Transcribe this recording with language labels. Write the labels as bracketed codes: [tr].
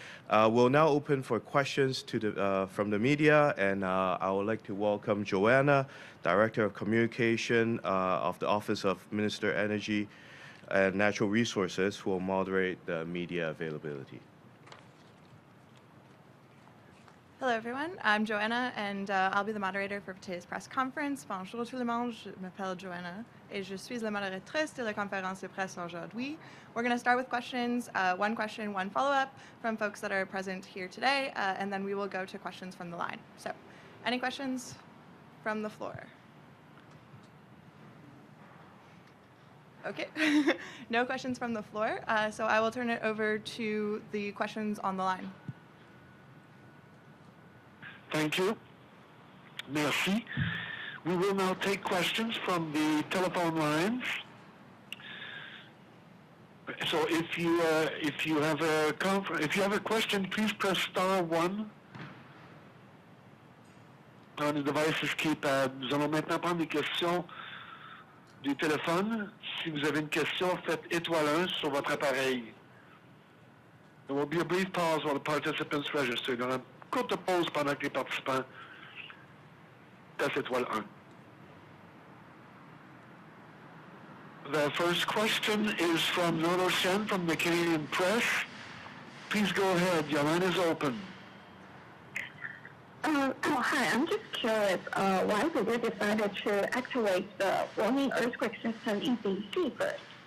[en] We'll now open for questions to the from the media, and I would like to welcome Joanna, Director of Communication of the Office of Minister Energy and Natural Resources, who will moderate the media availability. Hello, everyone. I'm Joanna, and I'll be the moderator for today's press conference. [fr] Bonjour tout le monde. Je m'appelle Joanna, et je suis la moderatrice de la conférence de presse aujourd'hui. [en] We're going to start with questions. One question, one follow-up from folks that are present here today, and then we will go to questions from the line. So, any questions from the floor? Okay, no questions from the floor. So I will turn it over to the questions on the line. Thank you. [fr] Merci. [en] We will now take questions from the telephone lines. So if you have a question, please press star one on the device's keypad. [fr] Nous allons maintenant prendre des questions du téléphone. Si vous avez une question, faites étoile 1 sur votre appareil. [en] There will be a brief pause while the participants register. [fr] Il y aura une courte pause pendant que les participants passent étoile 1. [en] The first question is from Nono Shen from the Canadian Press. Please go ahead. Your line is open. Hi, I'm just curious, why did we decide to activate the warning earthquake system in BC first?